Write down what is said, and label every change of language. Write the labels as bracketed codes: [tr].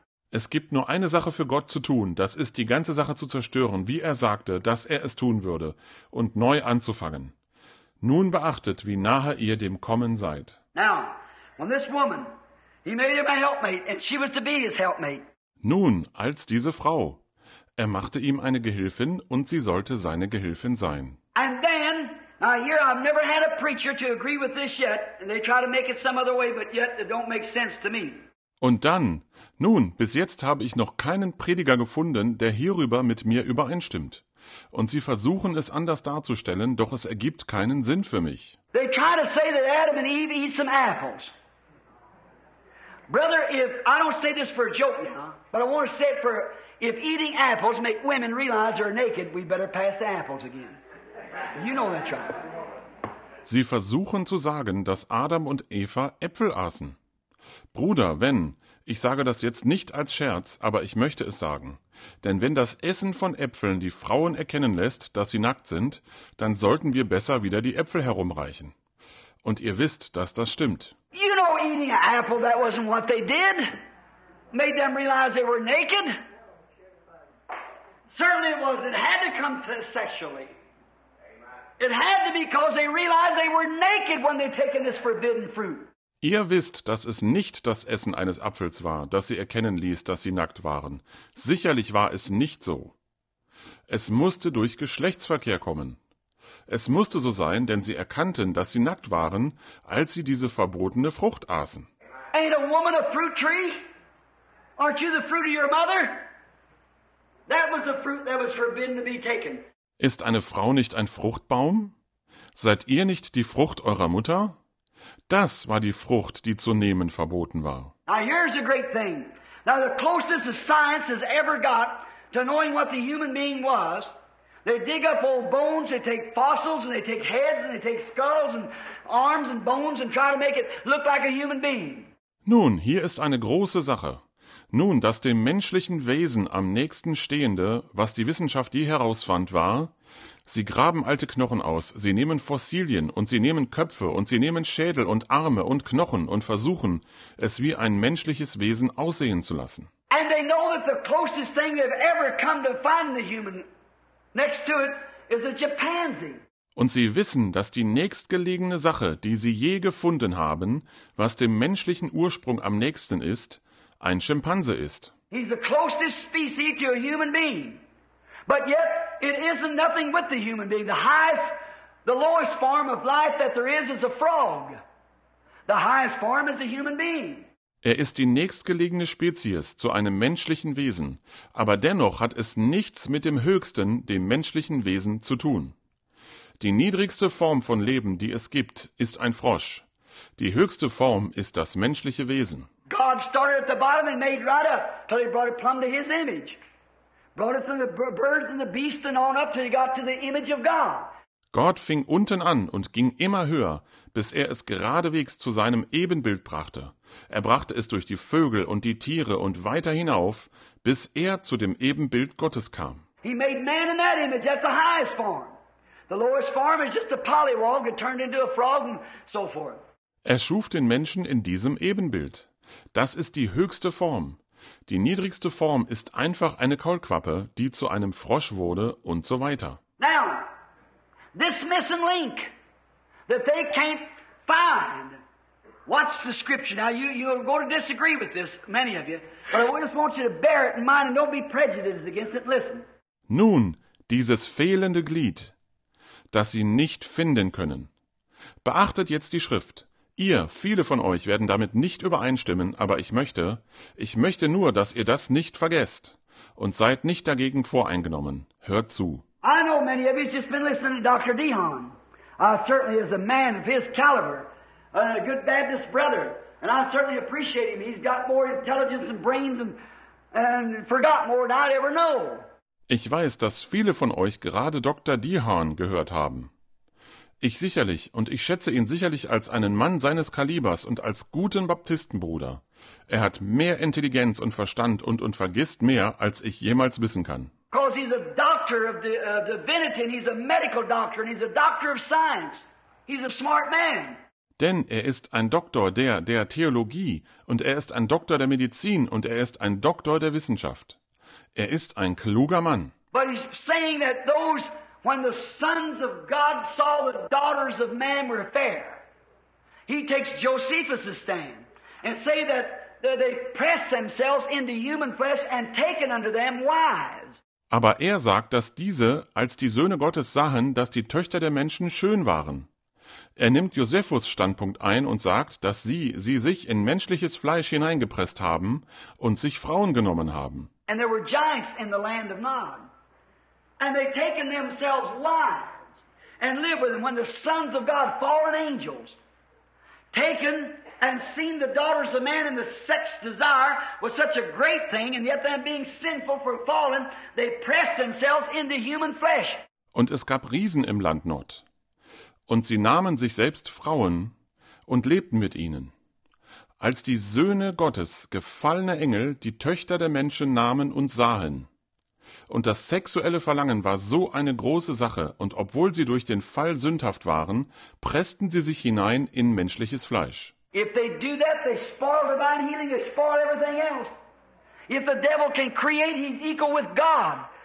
[de] Es gibt nur eine Sache für Gott zu tun, das ist die ganze Sache zu zerstören, wie er sagte, dass er es tun würde, und neu anzufangen. Nun beachtet, wie nahe ihr dem Kommen seid. [en] Now, when this woman, he made him a helpmate, and she was to be his helpmate. [de] Nun, als diese Frau. Er machte ihm eine Gehilfin und sie sollte seine Gehilfin sein. [en] And then, now here I've never had a preacher to agree with this yet, and they try to make it some other way, but yet it don't make sense to me. [de] Und dann, nun, bis jetzt habe ich noch keinen Prediger gefunden, der hierüber mit mir übereinstimmt. Und sie versuchen es anders darzustellen, doch es ergibt keinen Sinn für mich. [en] They try to say that Adam and Eve eat some apples. Brother, if I don't say this for a joke now, but I want to say it for if eating apples make women realize they're naked, we better pass the apples again. You know that's right. [de] Sie versuchen zu sagen, dass Adam und Eva Äpfel aßen. Bruder, wenn, ich sage das jetzt nicht als Scherz, aber ich möchte es sagen, denn wenn das Essen von Äpfeln die Frauen erkennen lässt, dass sie nackt sind, dann sollten wir besser wieder die Äpfel herumreichen. Und ihr wisst, dass das stimmt. [en] You know, eating an apple, that wasn't what they did. Made them realize they were naked. Certainly it was. It had to come to sexually. It had to be because they realized they were naked when they taken this forbidden fruit. [de] Ihr wisst, dass es nicht das Essen eines Apfels war, das sie erkennen ließ, dass sie nackt waren. Sicherlich war es nicht so. Es musste durch Geschlechtsverkehr kommen. Es musste so sein, denn sie erkannten, dass sie nackt waren, als sie diese verbotene Frucht aßen. [en] Ain't a woman a fruit tree? Aren't you the fruit of your mother? That was the fruit that was forbidden to be taken. [de] Ist eine Frau nicht ein Fruchtbaum? Seid ihr nicht die Frucht eurer Mutter? Das war die Frucht, die zu nehmen verboten war. [en] Now here's a great thing. Now the closest the science has ever got to knowing what the human being was. They dig up old bones, they take fossils, and they take heads, and they take skulls, and arms, and bones, and try to make it look like a human being. [de] Nun, hier ist eine große Sache. Nun, das dem menschlichen Wesen am nächsten Stehende, was die Wissenschaft je herausfand, war, sie graben alte Knochen aus, sie nehmen Fossilien, und sie nehmen Köpfe, und sie nehmen Schädel und Arme und Knochen und versuchen, es wie ein menschliches Wesen aussehen zu lassen. [en] And they know that the closest thing they've ever come to find the human next to it is a chimpanzee. [de] Und sie wissen, dass die nächstgelegene Sache, die sie je gefunden haben, was dem menschlichen Ursprung am nächsten ist, ein Schimpanse ist. [en] He's the closest species to a human being. But yet, it isn't nothing with the human being. The lowest form of life that there is a frog. The highest form is a human being. [de] Er ist die nächstgelegene Spezies zu einem menschlichen Wesen, aber dennoch hat es nichts mit dem Höchsten, dem menschlichen Wesen, zu tun. Die niedrigste Form von Leben, die es gibt, ist ein Frosch. Die höchste Form ist das menschliche Wesen. [en] God started at the bottom and made right up, till he brought it plumb to his image. Brought it from the birds and the beasts and on up till he got to the image of God. [de] Gott fing unten an und ging immer höher, bis er es geradewegs zu seinem Ebenbild brachte. Er brachte es durch die Vögel und die Tiere und weiter hinauf, bis er zu dem Ebenbild Gottes kam. [en] He made man in that image, that's the highest form. The lowest form is just a polywog and turned into a frog and so forth. [de] Er schuf den Menschen in diesem Ebenbild. Das ist die höchste Form. Die niedrigste Form ist einfach eine Kaulquappe, die zu einem Frosch wurde und so weiter. [en] Now, this missing link that they can't find. What's the scripture? Now you're going to disagree with this, many of you, but I just want you to bear it in mind and don't be prejudiced against it. Listen. [de] Nun, dieses fehlende Glied, das sie nicht finden können. Beachtet jetzt die Schrift. Ihr, viele von euch, werden damit nicht übereinstimmen, aber ich möchte nur, dass ihr das nicht vergesst und seid nicht dagegen voreingenommen. Hört zu. [en] I know many of you have just been listening to Dr. Dehan. Certainly as a man of his caliber, a good Baptist brother, and I certainly appreciate him. He's got more intelligence and brains and forgot more than I'd ever know. [de] Ich weiß, dass viele von euch gerade Dr. Dehaene gehört haben. Ich sicherlich, und ich schätze ihn sicherlich als einen Mann seines Kalibers und als guten Baptistenbruder. Er hat mehr Intelligenz und Verstand und vergisst mehr, als ich jemals wissen kann. [en] Because he's a doctor of the divinity, and he's a medical doctor, and he's a doctor of science. He's a smart man. [de] Denn er ist ein Doktor der Theologie, und er ist ein Doktor der Medizin, und er ist ein Doktor der Wissenschaft. Er ist ein kluger Mann. [en] But he's saying that those, when the sons of God saw the daughters of man were fair, he takes Josephus' stand and say that they press themselves into human flesh and taken unto them wives. [de] Aber er sagt, dass diese, als die Söhne Gottes sahen, dass die Töchter der Menschen schön waren. Er nimmt Josephus' Standpunkt ein und sagt, dass sie sich in menschliches Fleisch hineingepresst haben und sich Frauen genommen haben. [en] And there were giants in the land of Nod. And they taken themselves wives and lived with them. When the sons of God, fallen angels, taken and seen the daughters of man in the sex desire was such a great thing, and yet them being sinful for fallen, they pressed themselves into human flesh. [de] Und es gab Riesen im Land Nod. Und sie nahmen sich selbst Frauen und lebten mit ihnen. Als die Söhne Gottes, gefallene Engel, die Töchter der Menschen nahmen und sahen. Und das sexuelle Verlangen war so eine große Sache, und obwohl sie durch den Fall sündhaft waren, pressten sie sich hinein in menschliches Fleisch. [en] If they do that, they spoil divine healing, they spoil everything else. If the devil can create, he's equal with God.